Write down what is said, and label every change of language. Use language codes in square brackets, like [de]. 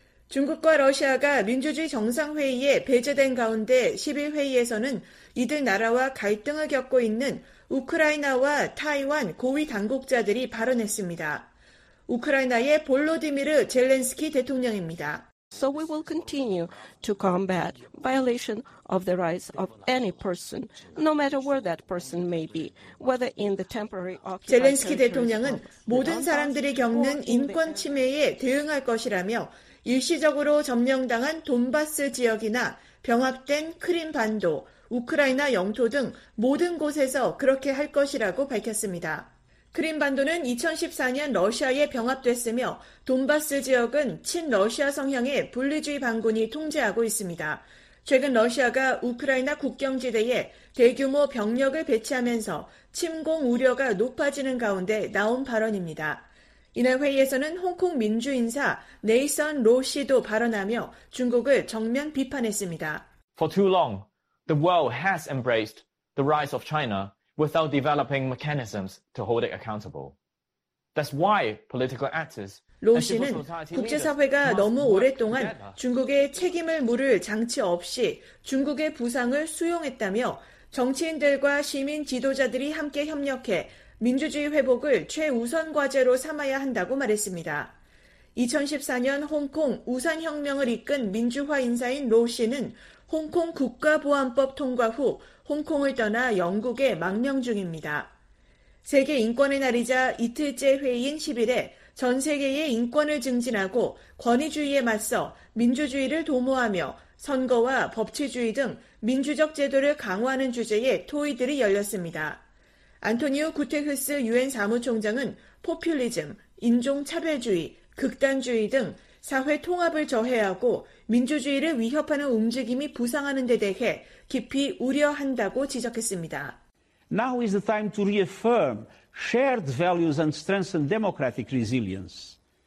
[ko] 중국과 러시아가 민주주의 정상회의에 배제된 가운데 10일 회의에서는 이들 나라와 갈등을 겪고 있는 우크라이나와 타이완 고위 당국자들이 발언했습니다. 우크라이나의 볼로디미르 젤렌스키 대통령입니다. [en] So we will continue to combat violation of the rights of any person, no matter where that person may be, whether in the temporary occupation. [ko] 젤렌스키 대통령은 모든 사람들이 겪는 인권 침해에 대응할 것이라며 일시적으로 점령당한 돈바스 지역이나 병합된 크림반도, 우크라이나 영토 등 모든 곳에서 그렇게 할 것이라고 밝혔습니다. 크림반도는 2014년 러시아에 병합됐으며 돈바스 지역은 친러시아 성향의 분리주의 반군이 통제하고 있습니다. 최근 러시아가 우크라이나 국경지대에 대규모 병력을 배치하면서 침공 우려가 높아지는 가운데 나온 발언입니다. 이날 회의에서는 홍콩 민주인사 네이선 로 씨도 발언하며 중국을 정면 비판했습니다. [en] For too long, the world has embraced the rise of China without developing mechanisms to hold it accountable. That's why political actors. [ko] 로 씨는 국제사회가 너무 오랫동안 중국의 책임을 물을 장치 없이 중국의 부상을 수용했다며 정치인들과 시민 지도자들이 함께 협력해 민주주의 회복을 최우선 과제로 삼아야 한다고 말했습니다. 2014년 홍콩 우산혁명을 이끈 민주화 인사인 로 씨는 홍콩 국가보안법 통과 후 홍콩을 떠나 영국에 망명 중입니다. 세계 인권의 날이자 이틀째 회의인 10일에 전 세계의 인권을 증진하고 권위주의에 맞서 민주주의를 도모하며 선거와 법치주의 등 민주적 제도를 강화하는 주제의 토의들이 열렸습니다. 안토니오 구테흐스 유엔 사무총장은 포퓰리즘, 인종차별주의, 극단주의 등 사회 통합을 저해하고 민주주의를 위협하는 움직임이 부상하는 데 대해 깊이 우려한다고 지적했습니다. [en] Now is the time to reaffirm shared values and strengthen democratic resilience.